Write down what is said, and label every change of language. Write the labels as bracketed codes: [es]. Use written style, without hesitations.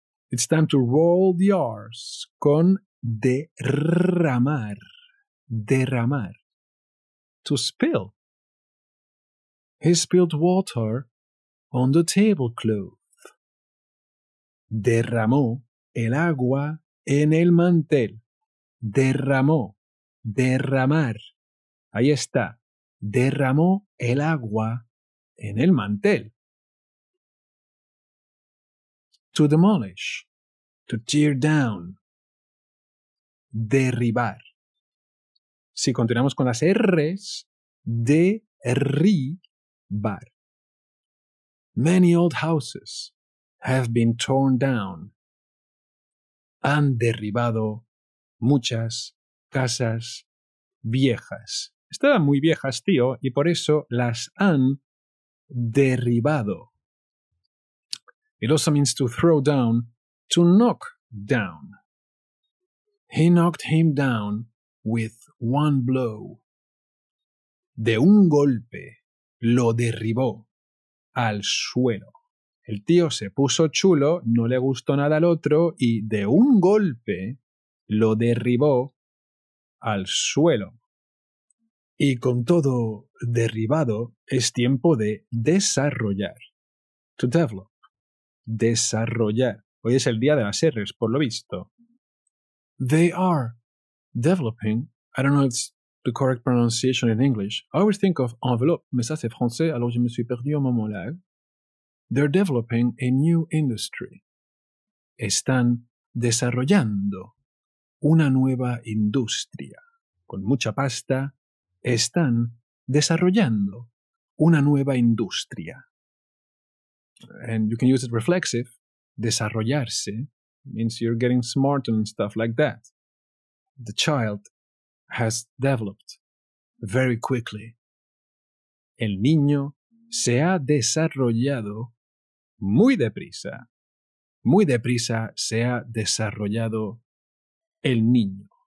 [en] It's time to roll the R's. [es] Con derramar. Derramar. [en] To spill. He spilled water on the tablecloth. [es] Derramó el agua en el mantel. Derramó. Derramar. Ahí está. Derramó el agua en el mantel. [en] To demolish. To tear down. Derribar. [es] Si continuamos con las R's, derribar. [en] Many old houses have been torn down. [es] Han derribado muchas casas viejas. Estaban muy viejas, tío, y por eso las han derribado. [en] It also means to throw down, to knock down. He knocked him down with one blow. [es] De un golpe lo derribó al suelo. El tío se puso chulo, no le gustó nada al otro y de un golpe lo derribó al suelo. Y con todo derribado es tiempo de desarrollar. [en] To develop. [es] Desarrollar. Hoy es el día de las R's, por lo visto. [en] They are developing. I don't know if it's the correct pronunciation in English. I always think of enveloppe, [fr] mais ça c'est français, alors je me suis perdu un moment là. [en] They're developing a new industry. [es] Están desarrollando una nueva industria. Con mucha pasta, están desarrollando una nueva industria. [en] And you can use it reflexive. Desarrollarse means you're getting smarter and stuff like that. The child has developed very quickly. [es] El niño se ha desarrollado muy deprisa. muy deprisa se ha desarrollado el niño.